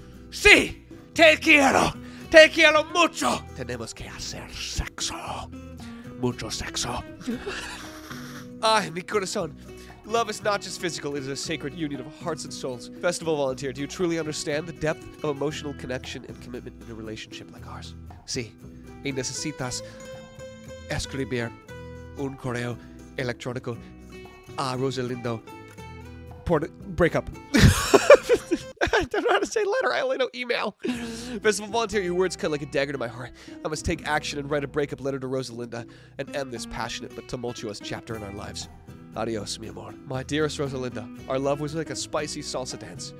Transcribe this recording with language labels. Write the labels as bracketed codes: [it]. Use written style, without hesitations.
[es] Sí, te quiero. Te quiero mucho. Tenemos que hacer sexo. Mucho sexo. Ay, mi corazón. [en] Love is not just physical, it is a sacred union of hearts and souls. Festival Volunteer, do you truly understand the depth of emotional connection and commitment in a relationship like ours? [es] Sí. Y necesitas escribir un correo electrónico a Rosalindo por breakup. [en] I don't know how to say letter, I only know email. Festival Volunteer, your words cut like a dagger to my heart. I must take action and write a breakup letter to Rosalinda and end this passionate but tumultuous chapter in our lives. [es] Adios, mi amor. [en] My dearest Rosalinda, our love was like a spicy salsa dance.